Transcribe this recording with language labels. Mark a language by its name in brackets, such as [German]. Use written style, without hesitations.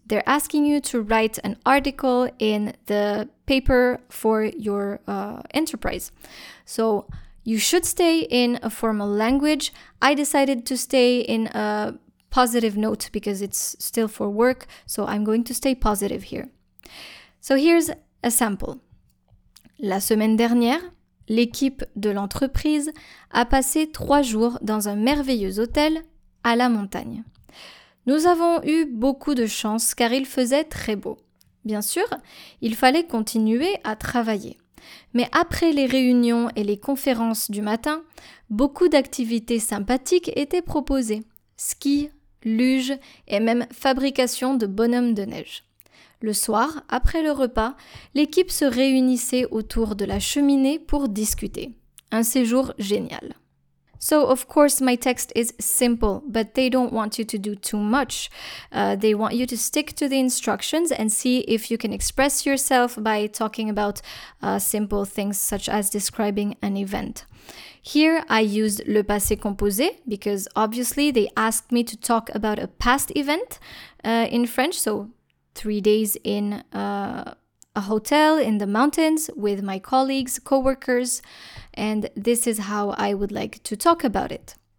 [English] They're asking you to write an article in the paper for your enterprise. So you should stay in a formal language. I decided to stay in a positive note because it's still for work. So I'm going to stay positive here. So here's a sample. [French] La semaine dernière, l'équipe de l'entreprise a passé 3 jours dans un merveilleux hôtel à la montagne. Nous avons eu beaucoup de chance car il faisait très beau. Bien sûr, il fallait continuer à travailler. Mais après les réunions et les conférences du matin, beaucoup d'activités sympathiques étaient proposées. Ski, luge et même fabrication de bonhommes de neige. Le soir, après le repas, l'équipe se réunissait autour de la cheminée pour discuter. Un séjour génial. [English] So, of course, my text is simple, but they don't want you to do too much. They want you to stick to the instructions and see if you can express yourself by talking about simple things such as describing an event. Here, I used le passé composé because, obviously, they asked me to talk about a past event in French, so 3 days in a hotel in the mountains with my colleagues, co-workers, and this is how I would like to talk about it.